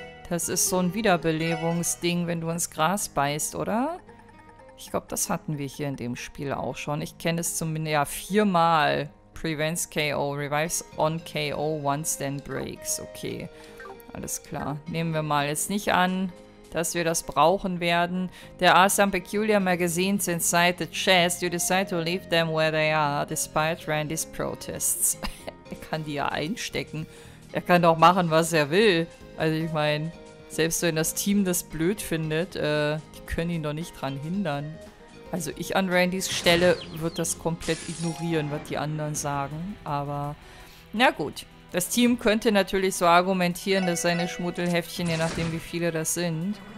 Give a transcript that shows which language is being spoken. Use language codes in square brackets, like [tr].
[de] Das ist so ein Wiederbelebungsding, wenn du ins Gras beißt, oder? Ich glaube, das hatten wir hier in dem Spiel auch schon. Ich kenne es zumindest, ja, viermal. [en] Prevents KO, revives on KO, once then breaks. [de] Okay, alles klar. Nehmen wir mal jetzt nicht an, dass wir das brauchen werden. [en] There are some peculiar magazines inside the chest. You decide to leave them where they are, despite Randy's protests. [de] Er kann die ja einstecken. Er kann doch machen, was er will. Also ich meine, selbst wenn das Team das blöd findet, die können ihn doch nicht dran hindern. Also ich an Randys Stelle würde das komplett ignorieren, was die anderen sagen. Aber na gut, das Team könnte natürlich so argumentieren, dass seine Schmuddelheftchen, je nachdem wie viele das sind.